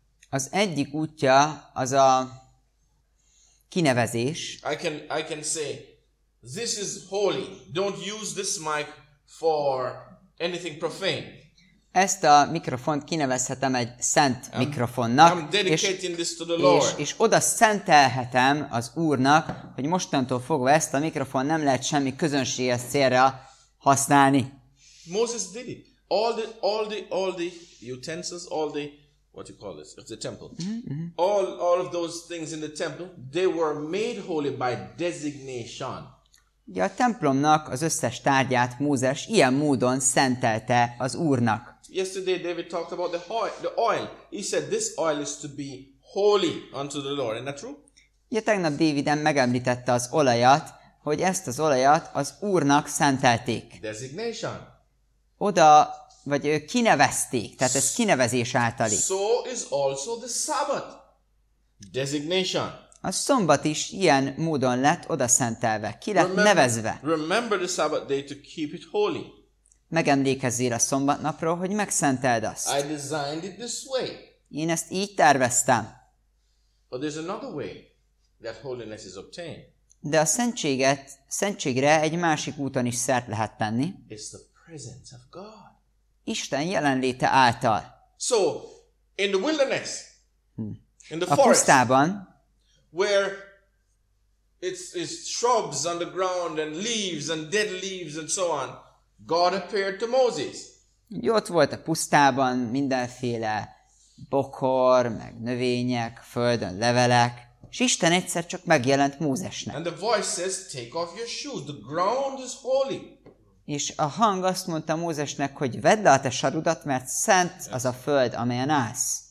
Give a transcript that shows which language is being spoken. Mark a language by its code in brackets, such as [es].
[hu] Az egyik útja az a kinevezés. [en] I can say, this is holy. Don't use this mic for anything profane. [hu] Ezt a mikrofont kinevezhetem egy szent mikrofonnak, és oda szentelhetem az Úrnak, hogy mostantól fogva ezt a mikrofon nem lehet semmi közönséges célra használni. [en] Moses did it. All the utensils, all the, what you call this, of the temple. Mm-hmm. All of those things in the temple, they were made holy by designation. [hu] Ugye a templomnak az összes tárgyát Mózes ilyen módon szentelte az Úrnak. [en] Yesterday David talked about the oil. He said this oil is to be holy unto the Lord. Isn't that true? [hu] Ja, tegnap Dáviden megemlítette az olajat, hogy ezt az olajat az Úrnak szentelték. [en] Designation. [hu] Oda, vagy kinevezték, tehát ez kinevezés általi. [en] So is also the Sabbath. Designation. [hu] A szombat is ilyen módon lett oda szentelve, ki lett nevezve. [en] Remember the Sabbath day to keep it holy. [hu] Megemlékezzél a szombatnapról, hogy megszenteld azt. [en] I designed it this way. [hu] Én ezt így terveztem. [en] But there's another way that holiness is obtained. [hu] De a szentségre egy másik úton is szert lehet tenni. [en] It's the presence of God. [hu] Isten jelenléte által. [en] So, in the wilderness, in the [hu] a pusztában, [en] where it's shrubs on the ground and leaves and dead leaves and so on, God appeared to Moses. [hu] Ott volt a pusztában mindenféle bokor, meg növények, földön levelek, és Isten egyszer csak megjelent Mózesnek. [en] And the voice says, take off your shoes, the ground is holy. [hu] És a hang azt mondta Mózesnek, hogy vedd le a te sarudat, mert szent az a föld, amelyen állsz.